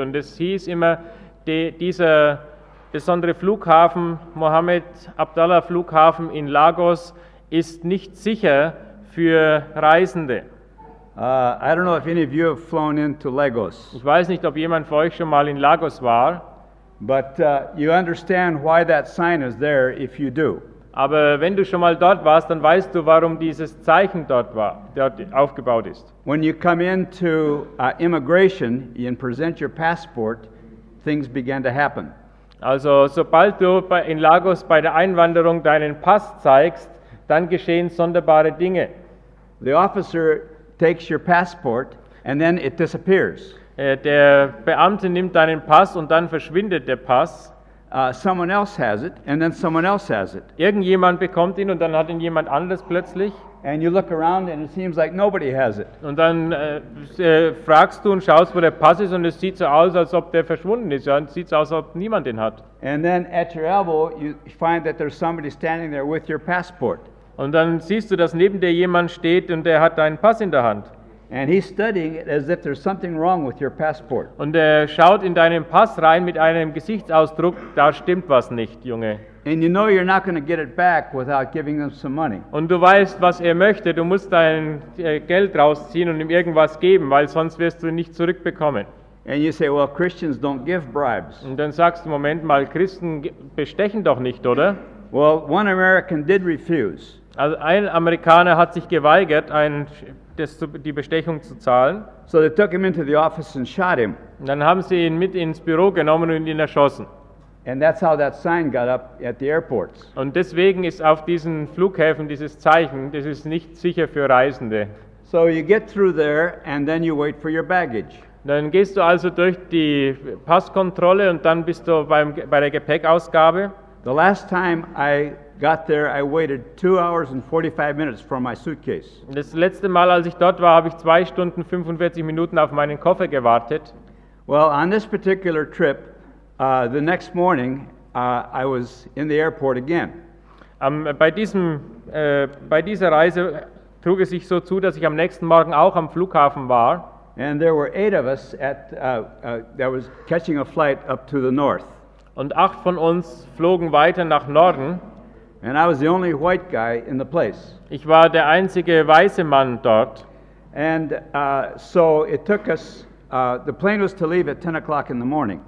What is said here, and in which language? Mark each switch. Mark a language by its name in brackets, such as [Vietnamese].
[German] Und es hieß immer, dieser besondere Flughafen, Mohammed Abdallah Flughafen in Lagos, ist nicht sicher für Reisende. [English] I don't know if any of you have flown into Lagos. [German] Ich weiß nicht, ob jemand von euch schon mal in Lagos war. [English] But you understand why that sign is there if you do. [German] Aber wenn du schon mal dort warst, dann weißt du, warum dieses Zeichen dort aufgebaut ist. [English] When you come into immigration and present your passport, things began to happen. [German] Also sobald du in Lagos bei der Einwanderung deinen Pass zeigst, dann geschehen sonderbare Dinge. [English] The officer takes your passport and then it disappears. [German] Der Beamte nimmt deinen Pass und dann verschwindet der Pass. [English] Someone else has it and then someone else has it. [German] Irgendjemand bekommt ihn und dann hat ihn jemand anderes plötzlich. [English] And you look around and it seems like nobody has it. [German] Und dann fragst du und schaust, wo der Pass ist und es sieht so aus, als ob der verschwunden ist. Ja, sieht so aus, als ob niemand ihn hat. [English] And then at your elbow you find that there's somebody standing there with your passport. [German] Und dann siehst du, dass neben dir jemand steht und der hat deinen Pass in der Hand. [English] And he's studying it as if there's something wrong with your passport. [German] Und er schaut in deinen Pass rein mit einem Gesichtsausdruck, da stimmt was nicht, Junge. [English] And you know you're not going to get it back without giving them some money. [German] Und du weißt, was er möchte, du musst dein Geld rausziehen und ihm irgendwas geben, weil sonst wirst du ihn nicht zurückbekommen. [English] And you say, well, Christians don't give bribes. [German] Und dann sagst du, Moment mal, Christen bestechen doch nicht, oder? [English] Well, one American did refuse. [German] Also ein Amerikaner hat sich geweigert, die Bestechung zu zahlen. [English] So they took him into the office and shot him. [German] Dann haben sie ihn mit ins Büro genommen und ihn erschossen. [English] And that's how that sign got up at the airports. [German] Und deswegen ist auf diesen Flughäfen dieses Zeichen, das ist nicht sicher für Reisende. [English] So you get through there and then you wait for your baggage. [German] Dann gehst du also durch die Passkontrolle und dann bist du bei der Gepäckausgabe. [English] The last time I got there, I waited 2 hours and 45 minutes for my suitcase. [German] Das letzte Mal, als ich dort war, habe ich 2 Stunden 45 Minuten auf meinen Koffer gewartet. [English] Well, on this particular trip, the next morning, I was in the airport again. [German] Bei dieser Reise trug es sich so zu, dass ich am nächsten Morgen auch am Flughafen war. [English] And there were 8 of us that was catching a flight up to the north. [German] Und 8 von uns flogen weiter nach Norden. [English] And I was the only white guy in the place. [German] Ich war der einzige weiße Mann dort. [English] And so it took us, the plane was to leave at 10 o'clock in the morning.